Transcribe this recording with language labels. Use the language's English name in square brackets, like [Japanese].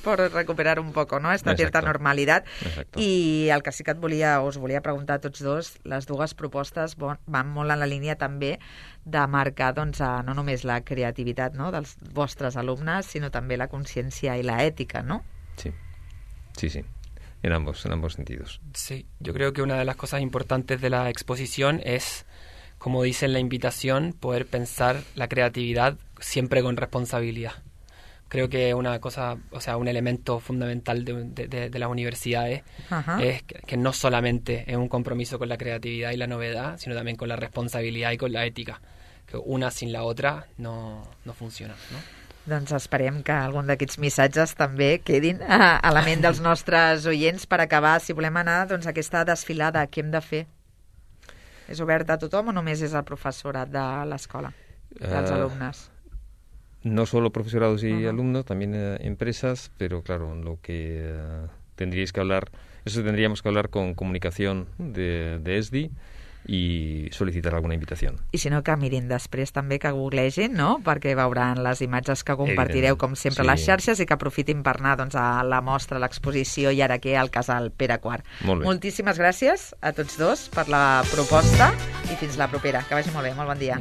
[Spanish] por recuperar un poco, ¿no?, esta cierta normalidad. [Catalan] Exacto. I el que sí que us volia preguntar a tots dos, les dues propostes van molt en la línia també de marcar, doncs, no només la creativitat, no?, dels vostres alumnes, sinó també la consciència i l'ètica, no? [Spanish] Sí. En ambos sentidos. Sí, yo creo que una de las cosas importantes de la exposición es, como dice en la invitación, poder pensar la creatividad siempre con responsabilidad. Creo que una cosa, o sea, un elemento fundamental de las universidades es que no solamente es un compromiso con la creatividad y la novedad, sino también con la responsabilidad y con la ética, que una sin la otra no funciona, ¿no? [Catalan] Doncs esperem que algun d'aquests missatges també quedin a la ment dels nostres oients per acabar, si volem anar, doncs, a aquesta desfilada. Què hem de fer? És obert a tothom o només és el professorat de l'escola, dels alumnes? [Spanish] No solo profesorados y alumnos, también empresas, pero claro, lo que tendríais que hablar, eso tendríamos que hablar con comunicación de ESDI y solicitar alguna invitación. [Catalan] I si no, que mirin després també, que googlegin, no?, perquè veuran les imatges que compartireu, com sempre, sí, les xarxes, i que aprofitin per anar, doncs, a la mostra, a l'exposició i ara què, al casal Pere IV. Molt bé. Moltíssimes gràcies a tots dos per la proposta i fins la propera. Que vagi molt bé, molt bon dia.